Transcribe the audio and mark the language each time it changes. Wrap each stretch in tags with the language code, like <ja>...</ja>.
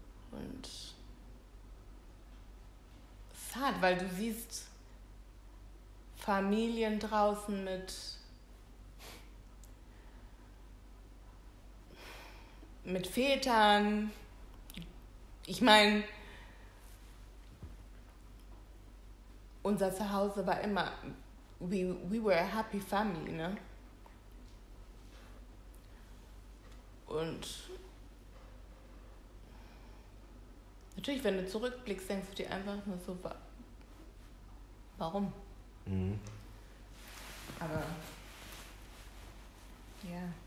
<de>Und es ist hart, weil du siehst Familien draußen mit Vätern. Ich meine, unser Zuhause war immer,</de> <en>we were a happy family,</en> <de>ne? Und natürlich, wenn du zurückblickst, denkst du dir einfach nur so, warum? Mhm. Aber ja.</de>